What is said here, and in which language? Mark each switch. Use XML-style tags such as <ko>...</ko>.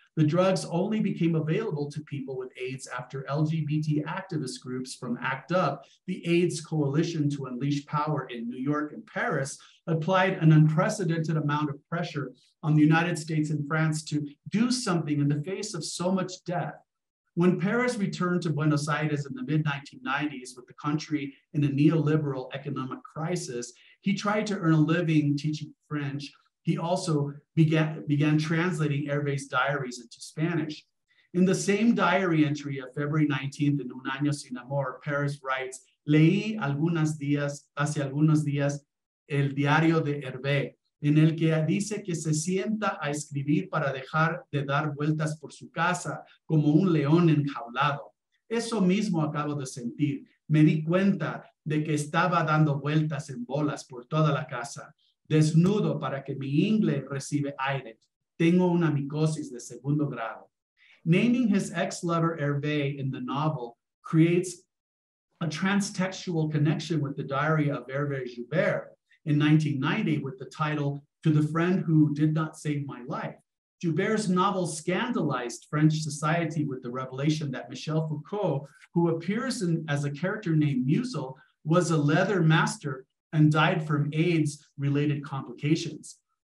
<en>The drugs only became available to people with AIDS after LGBT activist groups from ACT UP, the AIDS Coalition to Unleash Power in New York and Paris, applied an unprecedented amount of pressure on the United States and France to do something in the face of so much death. When Pérez returned to Buenos Aires in the mid-1990s with the country in a neoliberal economic crisis, he tried to earn a living teaching French. He also began translating Hervé's diaries into Spanish. In the same diary entry of February 19th in Un Año Sin Amor, Pérez writes,</en> <es>"Leí algunos días, hace algunos días, el diario de Hervé, en el que dice que se sienta a escribir para dejar de dar vueltas por su casa como un león enjaulado. Eso mismo acabo de sentir. Me di cuenta de que estaba dando vueltas en bolas por toda la casa, desnudo para que mi ingle recibe aire. Tengo una micosis de segundo grado."</es> <en>Naming his ex-lover Hervé in the novel creates a transtextual connection with the diary of Hervé Joubert in 1990 with the title "To the Friend Who Did Not Save My Life." Joubert's novel scandalized French society with the revelation that Michel Foucault, who appears as a character named Musil, was a leather master and died from AIDS-related complications.</en>